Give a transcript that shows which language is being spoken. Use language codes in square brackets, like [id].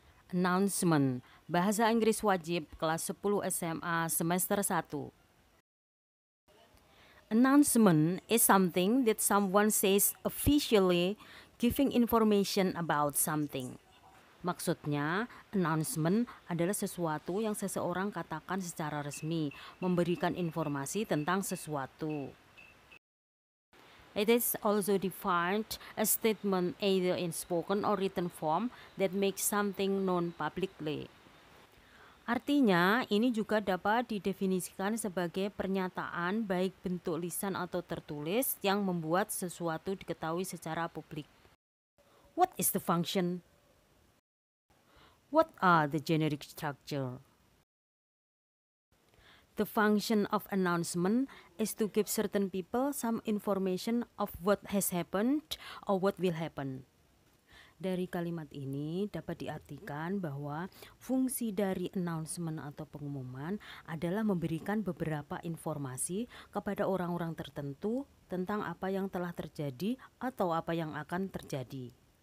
[id] Announcement, Bahasa Inggris Wajib Kelas 10 SMA Semester 1. [en] Announcement is something that someone says officially, giving information about something. [id] Maksudnya, announcement adalah sesuatu yang seseorang katakan secara resmi, memberikan informasi tentang sesuatu. [en] It is also defined as a statement either in spoken or written form that makes something known publicly. [id] Artinya, ini juga dapat didefinisikan sebagai pernyataan baik bentuk lisan atau tertulis yang membuat sesuatu diketahui secara publik. [en] What is the function? What are the generic structure? The function of announcement is to give certain people some information of what has happened or what will happen. [id] Dari kalimat ini dapat diartikan bahwa fungsi dari announcement atau pengumuman adalah memberikan beberapa informasi kepada orang-orang tertentu tentang apa yang telah terjadi atau apa yang akan terjadi.